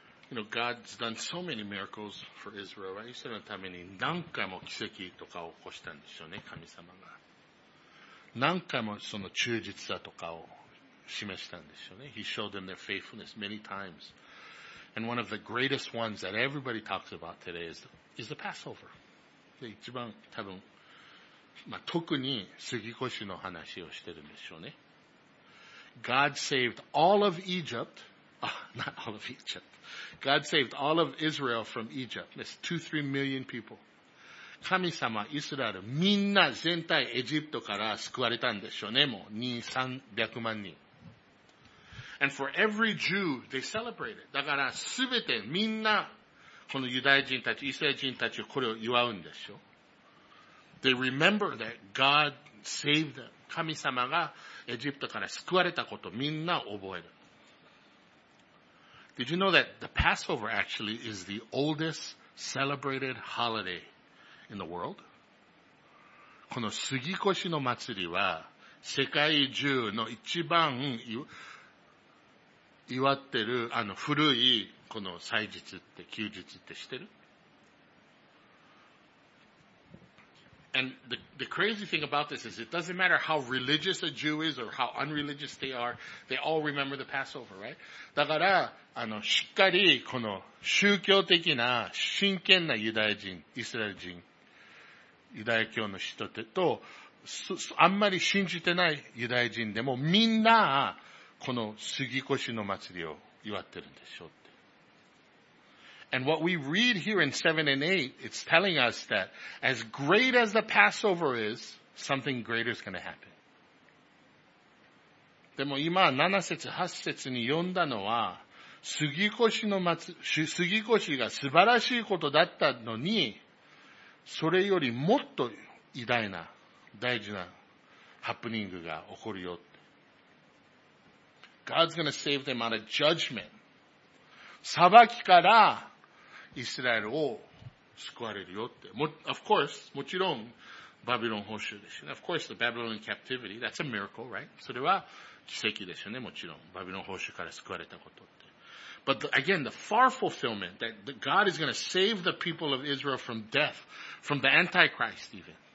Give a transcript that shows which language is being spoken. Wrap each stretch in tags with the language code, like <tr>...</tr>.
<en>You know, God's done so many miracles for Israel, right?</en> <ja>イスラエルのために何回も奇跡とかを起こしたんでしょうね、神様が。何回もその忠実さとかを示したんでしょうね。</ja> <en>He showed them their faithfulness many times. And one of the greatest ones that everybody talks about today is the Passover.</en> <ja>で、一番多分、まあ、特に杉越の話をしてるんでしょうね。</ja> <en>God saved all of Egypt. Not all of Egypt. God saved all of Israel from Egypt. That's 2-3 million people.</en> <ja>神様、イスラエル、みんな全体エジプトから救われたんでしょうね、もう。 200-300万人。</ja> <en>And for every Jew, they celebrated.</en> <ja>だから、すべて、みんな、このユダヤ人たち、イスラエル人たち、これを祝うんでしょう。</ja> <en>They remember that God saved them.</en> <ja>神様がエジプトから救われたこと、みんな覚える。</ja> <en>Did you know that the Passover actually is the oldest celebrated holiday? In the world?</en> <ja>この杉越の祭りは世界中の一番祝ってるあの古いこの祭日って休日って知ってる?</ja> <en>And the crazy thing about this is it doesn't matter how religious a Jew is or how unreligious they are, they all remember the Passover, right?</en> <ja>だからあのしっかりこの宗教的な真剣なユダヤ人、イスラエル人ユダヤ教の人ってと、あんまり信じてないユダヤ人でもみんな、この杉越の祭りを祝ってるんでしょうって。</ja> <en>And what we read here in 7 and 8, it's telling us that as great as the Passover is, something greater is going to happen.</en> <ja>でも今、7節、8節に読んだのは、杉越が素晴らしいことだったのに、それよりもっと偉大な、大事なハプニングが起こるよって。</ja> <en>God's gonna save them out of judgment.</en> <ja>裁きからイスラエルを救われるよって。</ja> <en>Of course,</en> <ja>もちろんバビロン捕囚ですよね。</ja> <en>Of course, the Babylonian captivity, that's a miracle, right?</en> <ja>それは奇跡ですよね、もちろん。バビロン捕囚から救われたことって。</ja> <en>But again, the far fulfillment that God is going to save the people of Israel from death, from the Antichrist even.</en>